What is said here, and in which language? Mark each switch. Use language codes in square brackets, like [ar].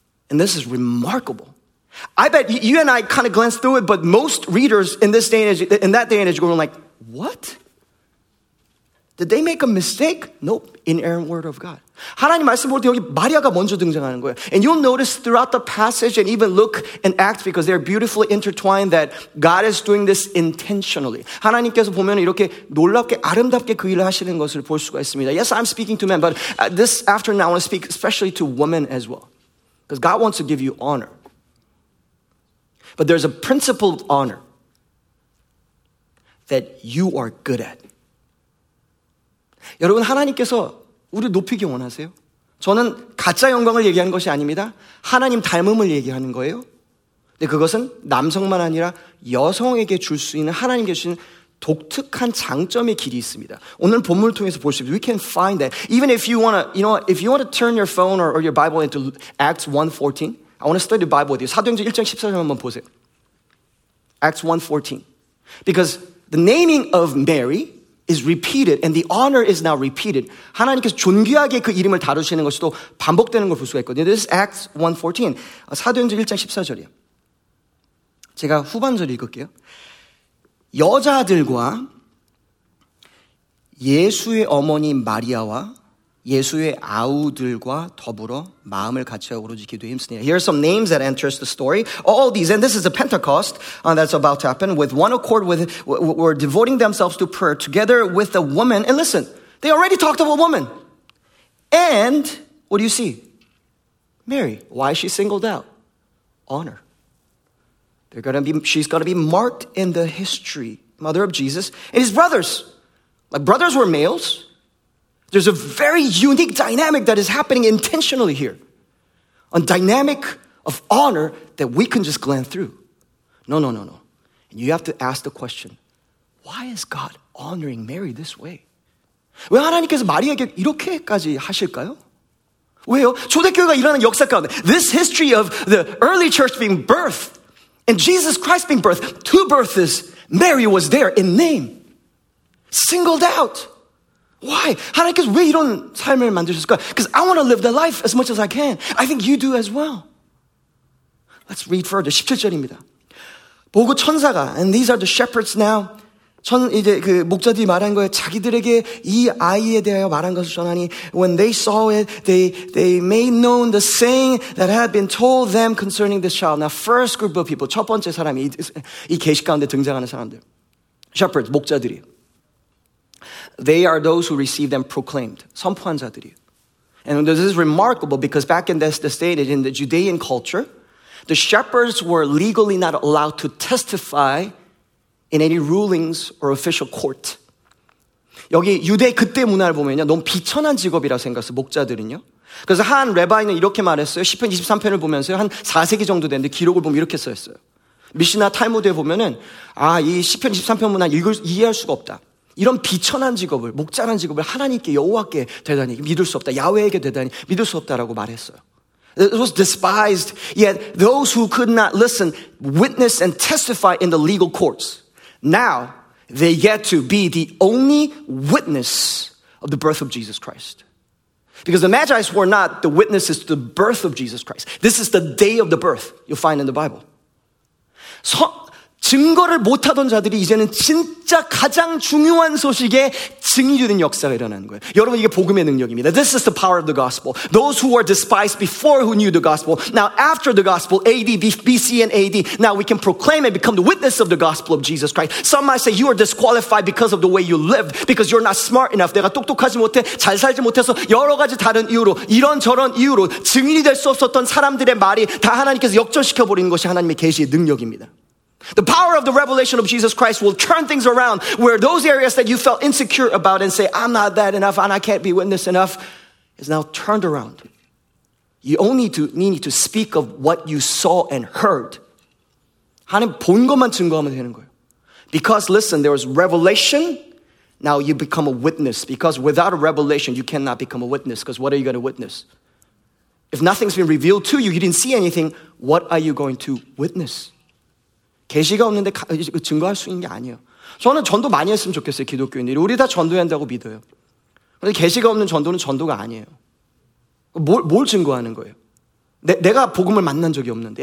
[en] And this is remarkable. I bet you and I kind of glanced through it, but most readers in this day and age, in that day and age, going like, what? Did they make a mistake? Nope. Inerrant word of God. [ko] 하나님 말씀으로 여기 마리아가 먼저 등장하는 거예요. [en] And you'll notice throughout the passage and even look and act because they're beautifully intertwined that God is doing this intentionally. [ko] 하나님께서 보면 이렇게 놀랍게 아름답게 그 일을 하시는 것을 볼 수가 있습니다. [en] Yes, I'm speaking to men, but this afternoon I want to speak especially to women as well. Because God wants to give you honor. But there's a principle of honor that you are good at. [ko] 여러분 하나님께서 우리 높이기 원하세요? 저는 가짜 영광을 얘기하는 것이 아닙니다. 하나님 닮음을 얘기하는 거예요. 근데 그것은 남성만 아니라 여성에게 줄 수 있는 하나님께서 주시는 독특한 장점의 길이 있습니다. 오늘 본문을 통해서 볼 수 있습니다. [en] We can find that. Even if you want to, you know, if you want to turn your phone or your Bible into Acts 1:14, I want to study the Bible with you. [ko] 사도행전 1장 14절 한번 보세요. [en] Acts 1:14. Because the naming of Mary is repeated and the honor is now repeated. [ko] 하나님께서 존귀하게 그 이름을 다루시는 것이 또 반복되는 걸 볼 수가 있거든요. [en] This is Acts 1:14. [ko] 사도행전 1장 14절이요. 제가 후반절 읽을게요. 여자들과 예수의 어머니 마리아와 예수의 아우들과 더불어 마음을 같이하여 오로지 기도했습니다. [en] Here are some names that enters the story. All these, and this is a Pentecost that's about to happen. With one accord, with were devoting themselves to prayer together with a woman. And listen, they already talked about woman. And what do you see? Mary. Why is she singled out? Honor. They're gonna be. She's gonna be marked in the history. Mother of Jesus and his brothers. Like brothers were males. There's a very unique dynamic that is happening intentionally here. A dynamic of honor that we can just glance through. No, no, no, no. And you have to ask the question, why is God honoring Mary this way? [ko] 왜 하나님께서 마리아에게 이렇게까지 하실까요? 왜요? 초대교회가 일어난 역사 가운데, [en] this history of the early church being birthed and Jesus Christ being birthed, two births, Mary was there in name, singled out. Why? [ko] 하나님께서 왜 이런 삶을 만드셨을까? [en] Because I want to live the life as much as I can. I think you do as well. Let's read further. [ko] 17절입니다. 보고 천사가, [en] and these are the shepherds now, [ko] 이제 그 목자들이 말한 거예요. 자기들에게 이 아이에 대하여 말한 것을 전하니, [en] when they saw it, they made known the saying that had been told them concerning this child. Now, first group of people, [ko] 첫 번째 사람이, 이 계시 가운데 등장하는 사람들. Shepherds, 목자들이. [en] They are those who received and proclaimed. [ko] 선포한자들이요. [en] And this is remarkable because back in this state, in the Judean culture, the shepherds were legally not allowed to testify in any rulings or official court. [ko] 여기 유대 그때 문화를 보면요. 너무 비천한 직업이라고 생각했어요. 목자들은요. 그래서 한 레바인은 이렇게 말했어요. 시편 23편을 보면서 한 4세기 정도 됐는데 기록을 보면 이렇게 써있어요. 미시나 탈무드에 보면은 아, 이 시편 23편 문화 이해할 수가 없다. 이런 비천한 직업을, 목자란 직업을 하나님께 여호와께 대단히 믿을 수 없다. 야훼에게 대단히 믿을 수 없다라고 말했어요. [en] It was despised, yet those who could not listen, witness and testify in the legal courts. Now, they get to be the only witness of the birth of Jesus Christ. Because the Magi were not the witnesses to the birth of Jesus Christ. This is the day of the birth you'll find in the Bible. [ko] So, 증거를 못하던 자들이 이제는 진짜 가장 중요한 소식에 증인이 되는 역사가 일어나는 거예요. 여러분 이게 복음의 능력입니다. [en] This is the power of the gospel. Those who were despised before who knew the gospel. Now after the gospel, AD, BC and AD, now we can proclaim and become the witness of the gospel of Jesus Christ. Some might say you are disqualified because of the way you lived, because you're not smart enough. [ko] 내가 똑똑하지 못해, 잘 살지 못해서 여러 가지 다른 이유로, 이런 저런 이유로 증인이 될 수 없었던 사람들의 말이 다 하나님께서 역전시켜버리는 것이 하나님의 계시의 능력입니다. [en] The power of the revelation of Jesus Christ will turn things around where those areas that you felt insecure about and say, I'm not that enough and I can't be witness enough, is now turned around. You only need to speak of what you saw and heard. [ko] 하나님 본 것만 증거하면 되는 거예요. [en] Because listen, there was revelation, now you become a witness. Because without a revelation, you cannot become a witness. Because what are you going to witness? If nothing's been revealed to you, you didn't see anything, what are you going to witness? [ko] 계시가 없는데 증거할 수 있는 게 아니에요. 저는 전도 많이 했으면 좋겠어요. 기독교인들이. 우리 다 전도해야 한다고 믿어요. 그런데 계시가 없는 전도는 전도가 아니에요. 뭘 증거하는 거예요? 내가 복음을 만난 적이 없는데.